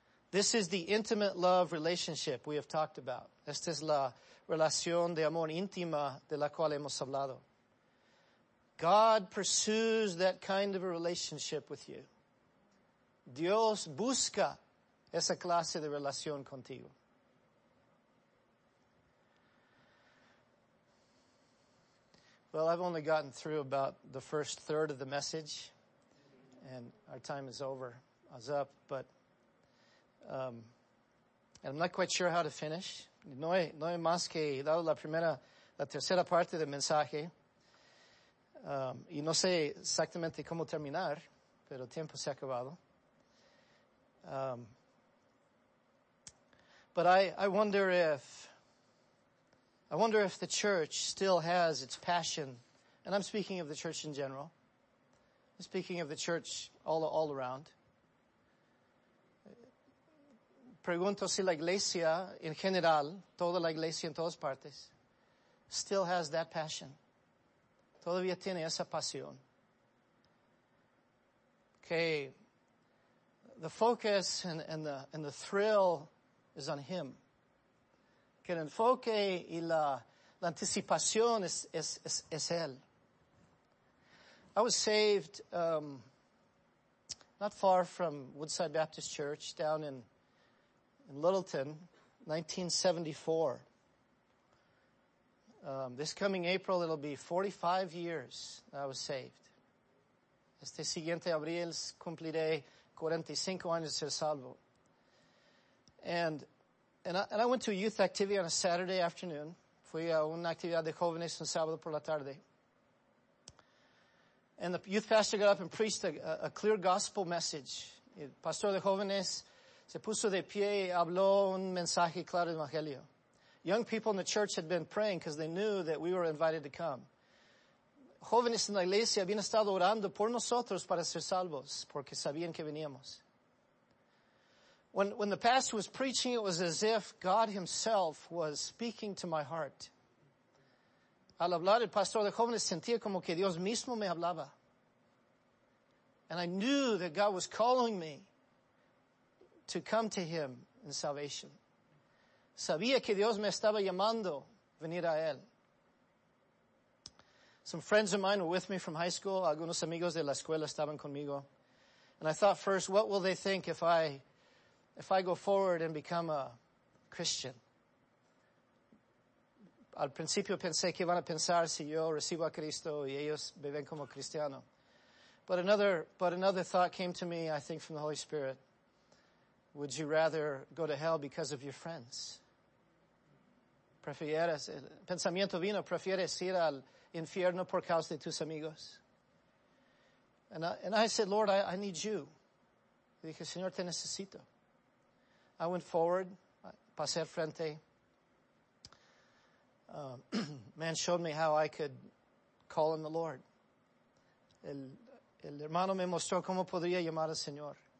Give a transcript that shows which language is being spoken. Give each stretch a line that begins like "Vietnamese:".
English: This is the intimate love relationship we have talked about.
Spanish: Esta es la relación de amor íntima de la cual hemos hablado.
English: God pursues that kind of a relationship with you.
Spanish: Dios busca esa clase de relación contigo.
English: Well, I've only gotten through about the first third of the message, and our time is over. I was up, but and I'm not quite sure how to finish.
Spanish: No hay más que dar la tercera parte del mensaje. Y no sé exactamente cómo terminar, pero el tiempo se ha acabado.
English: But I wonder if the church still has its passion. And I'm speaking of the church in general. I'm speaking of the church all around.
Spanish: Pregunto si la iglesia en general, toda la iglesia en todas partes,
English: still has that passion.
Spanish: Todavía tiene esa pasión.
English: Okay. The focus and the thrill is on Him.
Spanish: Que el enfoque y la anticipación es Él.
English: I was saved not far from Woodside Baptist Church down in Littleton, 1974. This coming April, it'll be 45 years that I was saved.
Spanish: Este siguiente abril cumpliré 45 años de ser salvo.
English: And I went to a youth activity on a Saturday afternoon.
Spanish: Fui a una actividad de jóvenes un sábado por la tarde.
English: And the youth pastor got up and preached a clear gospel message.
Spanish: El pastor de jóvenes se puso de pie y habló un mensaje claro del evangelio.
English: Young people in the church had been praying because they knew that we were invited to come.
Spanish: Jóvenes en la iglesia habían estado orando por nosotros para ser salvos porque sabían que veníamos.
English: When the pastor was preaching, it was as if God himself was speaking to my heart.
Spanish: Al hablar el pastor de jóvenes sentía como que Dios mismo me hablaba.
English: And I knew that God was calling me to come to Him in salvation.
Spanish: Sabía que Dios me estaba llamando venir a Él.
English: Some friends of mine were with me from high school.
Spanish: Algunos amigos de la escuela estaban conmigo.
English: And I thought first, what will they think if I go forward and become a Christian?
Spanish: Al principio pensé que van a pensar si yo recibo a Cristo y ellos me ven como cristiano.
English: But another thought came to me, I think, from the Holy Spirit. Would you rather go to hell because of your friends?
Spanish: Prefieres, el pensamiento vino, prefieres ir al infierno por causa de tus amigos.
English: And I said, Lord, I need you.
Spanish: Y dije, Señor, te necesito.
English: I went forward,
Spanish: pasé al frente.
English: Man showed me how I could call on the Lord.
Spanish: El hermano me mostró cómo podría llamar al Señor.